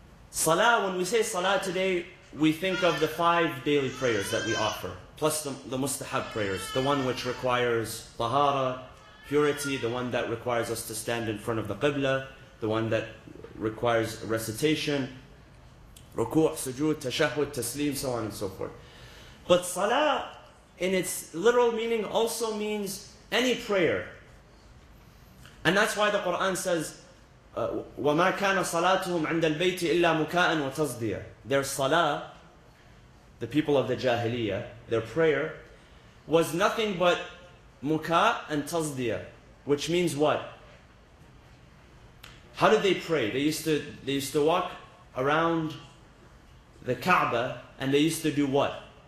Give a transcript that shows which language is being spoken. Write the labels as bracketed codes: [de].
[en] Salah, when we say salah today, we think of the five daily prayers that we offer, plus the mustahab prayers, the one which requires tahara, purity, the one that requires us to stand in front of the qibla, the one that requires recitation, ruku', sujood, tashahud, taslim, so on and so forth. But salah, in its literal meaning, also means any prayer. And that's why the Qur'an says, [ar] وَمَا كَانَ صَلَاتُهُمْ عِنْدَ الْبَيْتِ إِلَّا مُكَاءً وَتَصْدِيَةً. [en] Their salah, the people of the jahiliyyah, their prayer, was nothing but muka' and tazdiyah, which means what? How did they pray? They used to walk around the Kaaba, and they used to do what?